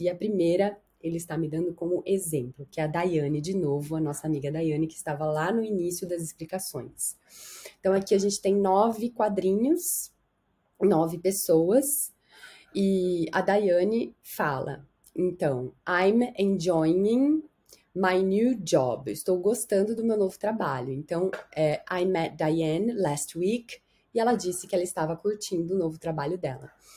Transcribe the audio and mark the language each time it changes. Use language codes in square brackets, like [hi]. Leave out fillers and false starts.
[pt] E a primeira, ele está me dando como exemplo, que é a Daiane, de novo, a nossa amiga Daiane, que estava lá no início das explicações. Então aqui a gente tem nove quadrinhos, nove pessoas. E a Daiane fala, então, [en] I'm enjoying my new job. [pt] Estou gostando do meu novo trabalho. Então, [en] I met Diane last week [pt] e ela disse que ela estava curtindo o novo trabalho dela.